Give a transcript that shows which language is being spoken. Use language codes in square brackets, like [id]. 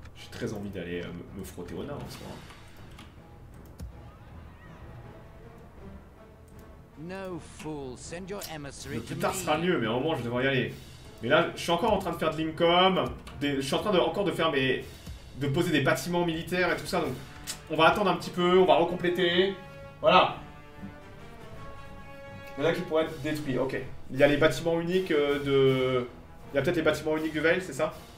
[fr] Très envie d'aller me frotter au nain en ce moment. [en] No fool, send your emissary. [fr] Le plus tard sera mieux, mais au moins je devrais y aller. Mais là, je suis encore en train de faire de l'Incom, je suis en train de encore de faire mes, de poser des bâtiments militaires et tout ça. Donc, on va attendre un petit peu, on va recompléter. Voilà. Il y en a qui pourraient être détruits. Ok. Il y a les bâtiments uniques de, il y a peut-être les bâtiments uniques de Vale, c'est ça?